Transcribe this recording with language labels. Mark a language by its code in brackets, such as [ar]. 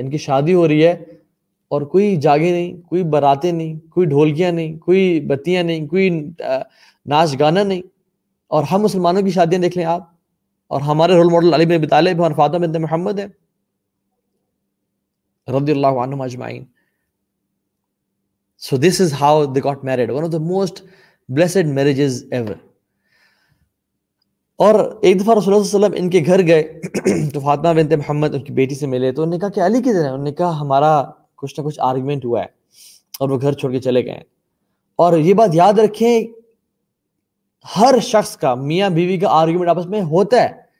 [ur] ان کی شادی ہو رہی ہے اور کوئی جاگے نہیں, کوئی براتیں نہیں, کوئی ڈھولکیاں نہیں, کوئی بتیاں نہیں, کوئی ناچ گانا نہیں. اور ہم مسلمانوں کی شادیاں دیکھ لیں آپ, اور ہمارے رول ماڈل علی بن ابی طالب ہیں اور فاطمہ بنت محمد ہیں رضی اللہ عنہم اجمعین. [en] So this is how they got married, one of the most blessed marriages ever. [ur] اور ایک دفعہ رسول اللہ صلی اللہ علیہ وسلم ان کے گھر گئے تو فاطمہ بنت محمد ان کی بیٹی سے ملے. تو انہوں نے کہا کہ علی کدھر ہیں؟ انہوں نے کہا ہمارا کچھ نہ کچھ آرگیومنٹ ہوا ہے اور وہ گھر چھوڑ کے چلے گئے. اور یہ بات یاد رکھیں, ہر شخص کا, میاں بیوی کا آرگیومنٹ آپس میں ہوتا ہے.